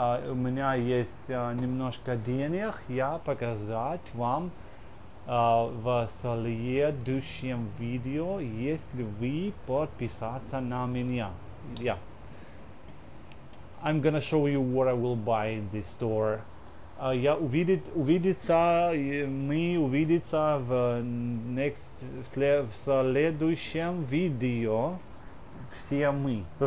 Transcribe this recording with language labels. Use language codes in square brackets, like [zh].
[ru] У меня есть немножко денег, я показать вам. В следующем видео, если вы подписаться на меня. [en] Yeah. I'm gonna show you what I will buy in this store. [ru] Я увидится в следующем видео. Все мы.